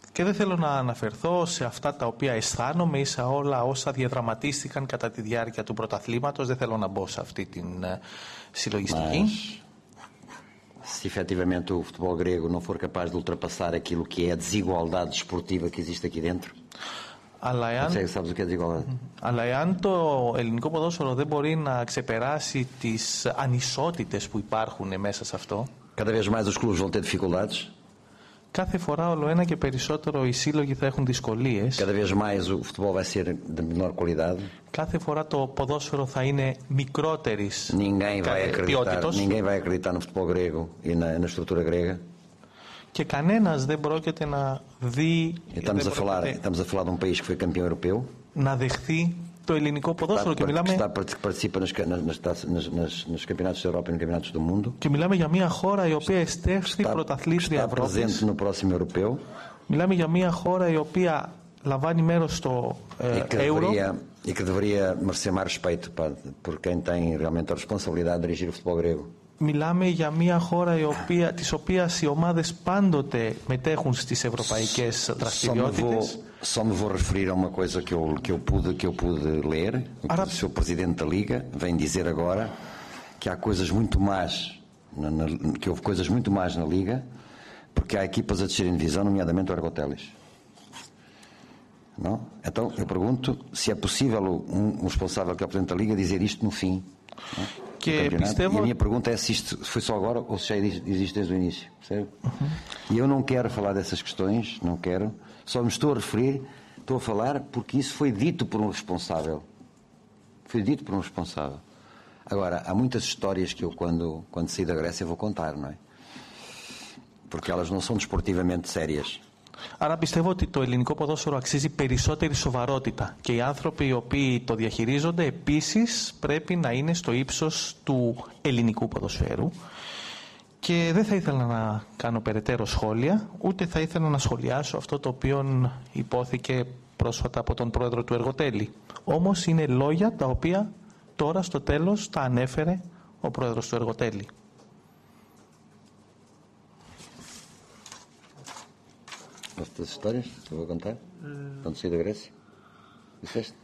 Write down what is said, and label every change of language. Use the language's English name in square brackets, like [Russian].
[Greek] Και δεν θέλω να αναφερθώ σε αυτά τα οποία αισθάνομαι ή σε όλα όσα διαδραματίστηκαν κατά τη διάρκεια του πρωταθλήματος. Δεν θέλω να μπω σε αυτή τη συλλογιστική. [Portuguese] Se efetivamente o futebol grego não for capaz de ultrapassar aquilo que é a desigualdade desportiva que existe aqui dentro. Sabes o que é desigualdade? [Greek] Αλλά εάν το ελληνικό ποδόσφαιρο δεν μπορεί να ξεπεράσει τις ανισότητες που υπάρχουν μέσα σε αυτό. [Portuguese] Cada vez mais os clubes vão ter dificuldades. [Greek] Κάθε φορά όλο ένα και περισσότερο οι σύλλογοι θα έχουν δυσκολίες. [Portuguese] Cada vez mais o futebol vai ser de menor qualidade. [Greek] Κάθε φορά το ποδόσφαιρο θα είναι μικρότερης ποιότητος. [Portuguese] Ninguém vai acreditar no futebol grego e na estrutura grega. [Greek] Και κανένας δεν πρόκειται να δει. [Portuguese] Estamos a falar de um país que foi campeão europeu. [Greek] Να δεχθεί το ελληνικό ποδόσφαιρο και μιλάμε. [Portuguese] Que participa nos campeonatos da Europa e nos campeonatos do mundo. [Greek] Και μιλάμε για μια χώρα η οποία εστέλθει πρωταθλήτρια Ευρώπης. [Portuguese] Está presente no próximo europeu. [Greek] Μιλάμε για μια χώρα η οποία λαμβάνει μέρος στο Euro. [Portuguese] E que deveria merecer mais respeito por quem tem realmente a responsabilidade de dirigir o futebol grego. [Greek] Milame για μια χώρα της οποίας οι ομάδες πάντοτε μετέχουν στις ευρωπαϊκές δραστηριότητες. [Portuguese] Só me vou referir a uma coisa que eu pude ler, que o seu presidente da Liga vem dizer agora, que há coisas muito más, que houve coisas muito más na Liga, porque há equipas a descer em divisão, nomeadamente o Ergoteles. Não? Então eu pergunto se é possível um responsável que é o Presidente da Liga dizer isto no fim, que pistevo... E a minha pergunta é se isto foi só agora ou se já existe desde o início, percebe? Uhum. E eu não quero falar dessas questões, não quero, só me estou a falar porque isso foi dito por um responsável. Foi dito por um responsável. Agora, há muitas histórias que eu quando saí da Grécia vou contar, não é? Porque elas não são desportivamente sérias. [Greek] Άρα πιστεύω ότι το ελληνικό ποδόσφαιρο αξίζει περισσότερη σοβαρότητα και οι άνθρωποι οι οποίοι το διαχειρίζονται επίσης πρέπει να είναι στο ύψος του ελληνικού ποδοσφαίρου και δεν θα ήθελα να κάνω περαιτέρω σχόλια ούτε θα ήθελα να σχολιάσω αυτό το οποίο υπόθηκε πρόσφατα από τον πρόεδρο του Εργοτέλη. Όμως είναι λόγια τα οποία τώρα στο τέλος τα ανέφερε ο πρόεδρος του Εργοτέλη. [Portuguese] Estas histórias que eu vou contar quando saí da Grécia, disseste?